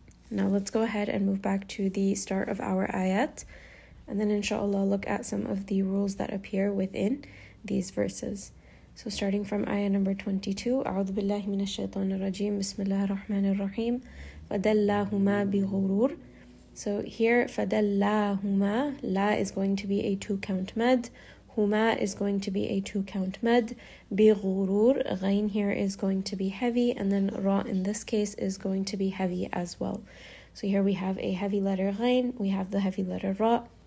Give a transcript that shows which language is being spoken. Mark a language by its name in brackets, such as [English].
[English] Now let's go ahead and move back to the start of our ayat, and then inshallah look at some of the rules that appear within these verses. So starting from ayah number 22, [Arabic] أعوذ بالله من الشيطان الرجيم بسم الله الرحمن الرحيم فدلاهما بغرور. [English] So here فدلاهما, لا is going to be a two count med, Huma is going to be a two-count med. Bighurur, ghain here is going to be heavy. And then ra in this case is going to be heavy as well. So here we have a heavy letter ghain. We have the heavy letter ra.